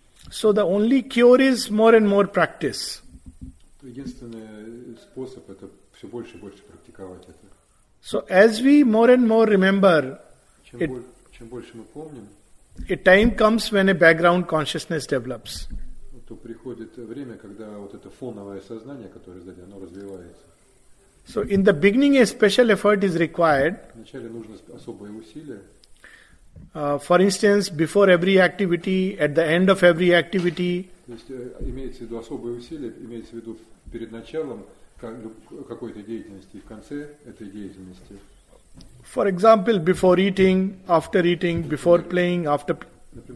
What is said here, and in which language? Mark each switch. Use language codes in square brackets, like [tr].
[en] So the only cure is more and more practice. [ru] Единственный способ это все больше и больше практиковать это. [en] So as we more and more remember, [ru] чем больше мы помним, [en] a time comes when a background consciousness develops. [ru] То приходит время, когда вот это фоновое сознание, которое сзади, оно развивается. [en] So in the beginning a special effort is required. [ru] Вначале нужно особые усилия. [en] For instance, before every activity, at the end of every activity. [ru] То есть имеется в виду особые усилия, имеется в виду перед началом какой-то деятельности и в конце этой деятельности. [en] For example, before eating, after eating, before playing, after playing.